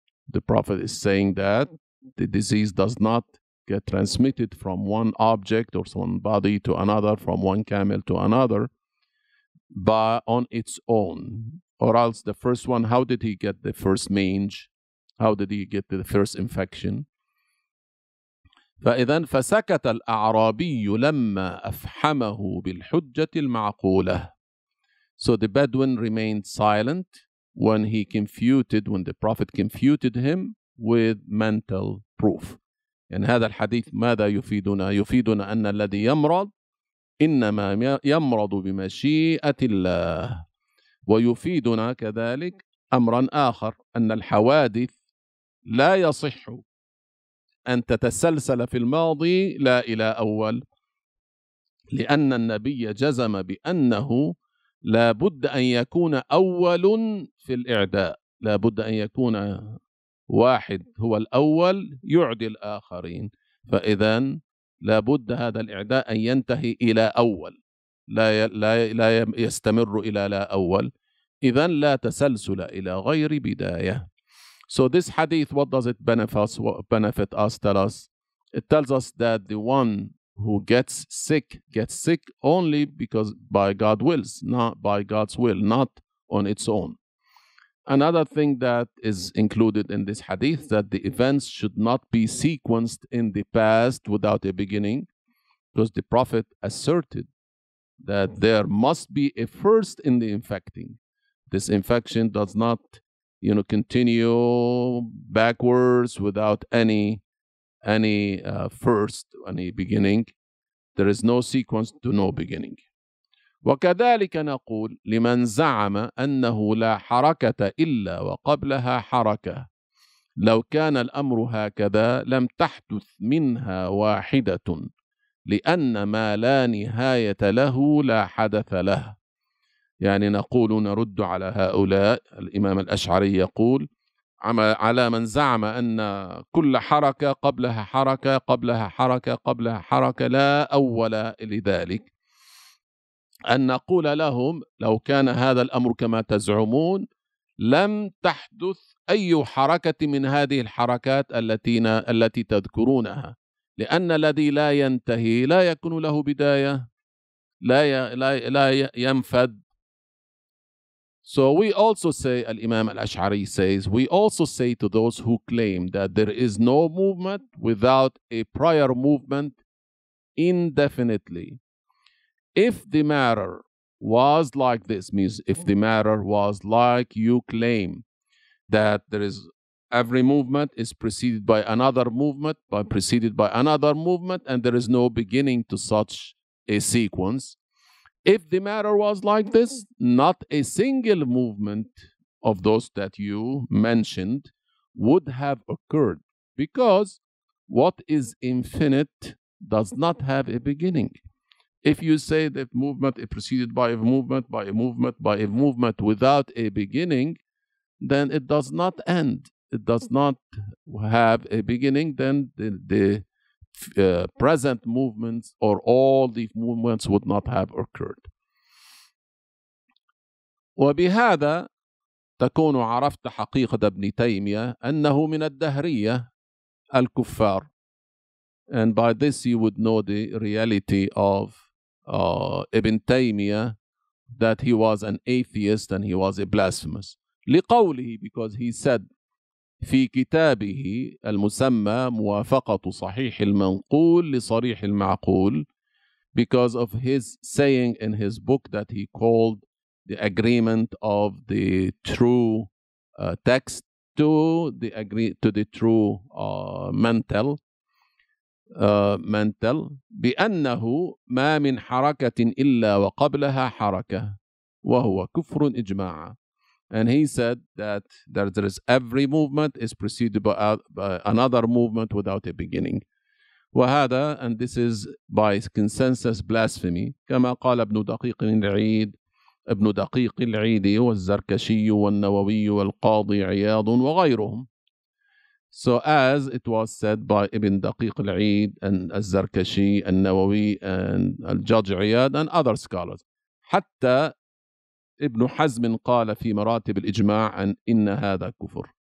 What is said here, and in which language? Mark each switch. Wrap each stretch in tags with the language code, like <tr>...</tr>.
<en>The Prophet is saying that the disease does not get transmitted from one object or one body to another, from one camel to another, but on its own. Or else the first one, how did he get the first mange? How did he get the first infection?</en> <ar>فإذا فسكت الأعرابي لما أفحمه بالحجة المعقولة.</ar> <en>So the Bedouin remained silent when the Prophet confuted him with mental proof. In</en> <ar>هذا الحديث ماذا يفيدنا؟ يفيدنا أن الذي يمرض إنما يمرض بمشيئة الله. ويفيدنا كذلك أمرا آخر أن الحوادث لا يصح أن تتسلسل في الماضي لا إلى أول، لأن النبي جزم بأنه لا بد أن يكون أول في الإعداء، لا بد أن يكون واحد هو الأول يعدي الآخرين، فإذا لا بد هذا الإعداء أن ينتهي إلى أول، لا يستمر إلى لا أول، إذا لا تسلسل إلى غير بداية.</ar> <en>So this hadith, what does it benefit us, tell us? It tells us that the one who gets sick only because by God wills, not by God's will, not on its own. Another thing that is included in this hadith, that the events should not be sequenced in the past without a beginning, because the Prophet asserted that there must be a first in the infecting. This infection does not, you know, continue backwards without any beginning. There is no sequence to no beginning.</en> <ar>وكذلك نقول لمن زعم أنه لا حركة إلا وقبلها حركة لو كان الأمر هكذا لم تحدث منها واحدة لأن ما لا نهاية له لا حدث له. يعني نقول نرد على هؤلاء. الإمام الأشعري يقول على من زعم أن كل حركة قبلها حركة قبلها حركة قبلها حركة لا أول لذلك، أن نقول لهم لو كان هذا الأمر كما تزعمون لم تحدث أي حركة من هذه الحركات التي تذكرونها، لأن الذي لا ينتهي لا يكون له بداية، لا ينفد.</ar> <en>So we also say, الإمام الأشعري says, we also say to those who claim that there is no movement without a prior movement indefinitely. If the matter was like this, means if the matter was like you claim that there is every movement is preceded by another movement, by preceded by another movement, and there is no beginning to such a sequence. If the matter was like this, not a single movement of those that you mentioned would have occurred, because what is infinite does not have a beginning. If you say that movement is preceded by a movement, by a movement, by a movement without a beginning, then it does not end. It does not have a beginning. Then present movements or all the movements would not have occurred.</en> <ar>وبهذا تكون عرفت حقيقة ابن تيمية أنه من الدهرية الكفار.</ar> <en>And by this you would know the reality of Ibn Taymiyyah, that he was an atheist and he was a blasphemous.</en> <ar>لقوله,</ar> <en>because he said</en> <ar>في كتابه المسمى موافقة صحيح المنقول لصريح المعقول,</ar> <en>because of his saying in his book that he called the agreement of the true text to the true mental,</en> <ar>بأنه ما من حركة إلا وقبلها حركة وهو كفر إجماعا.</ar> <en>And he said that there is every movement is preceded by another movement without a beginning.</en> <ar>وهذا,</ar> <en>and this is by consensus blasphemy,</en> <ar>كما قال ابن دقيق العيد, ابن دقيق العيدي والزركشي والنووي والقاضي عياض وغيرهم.</ar> <en>So as it was said by Ibn Daqiq al-Eid and al-Zarkashi and Nawawi and al-Judge Iyad and other scholars.</en> <ar>حتى Ibn Hazm قال في مراتب الإجماع أن إن هذا كفر.</ar>